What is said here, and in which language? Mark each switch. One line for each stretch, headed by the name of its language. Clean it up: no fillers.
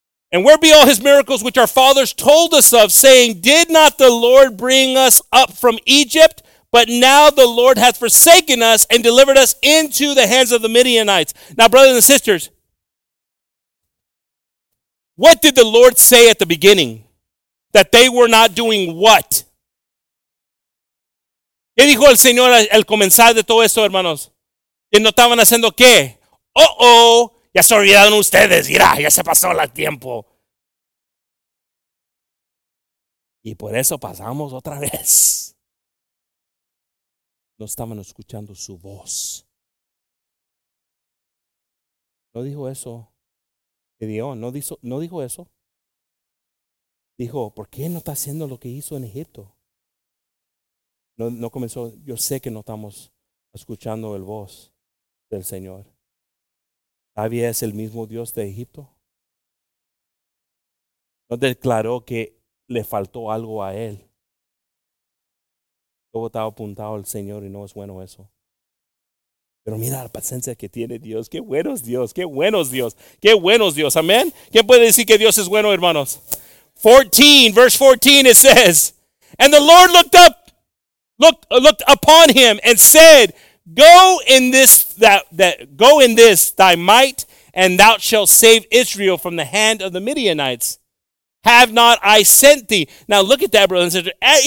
English: And where be all his miracles which our fathers told us of, saying, did not the Lord bring us up from Egypt? But now the Lord hath forsaken us and delivered us into the hands of the Midianites. Now, brothers and sisters, what did the Lord say at the beginning? That they were not doing what?
Spanish: ¿Qué dijo el Señor al comenzar de todo esto, hermanos? ¿Que no estaban haciendo qué? Uh-oh. Ya se olvidaron ustedes, mira, ya se pasó el tiempo. Y por eso pasamos otra vez. No estaban escuchando su voz. No dijo eso Gedeón, no dijo eso. Dijo, ¿por qué no está haciendo lo que hizo en Egipto? No comenzó, yo sé que no estamos escuchando el voz del Señor. ¿Todavía es el mismo Dios de Egipto? ¿No declaró que le faltó algo a él? Todo estaba apuntado al Señor y no es bueno eso. Pero mira la paciencia que tiene Dios. ¡Qué bueno es Dios! ¡Qué bueno es Dios! ¡Qué bueno es Dios! ¿Amén? ¿Quién puede decir que Dios es bueno, hermanos?
English: 14, verse 14, it says, and the Lord looked up, looked upon him and said, Go in this thy might, and thou shalt save Israel from the hand of the Midianites. Have not I sent thee? Now look at that, brothers and sisters.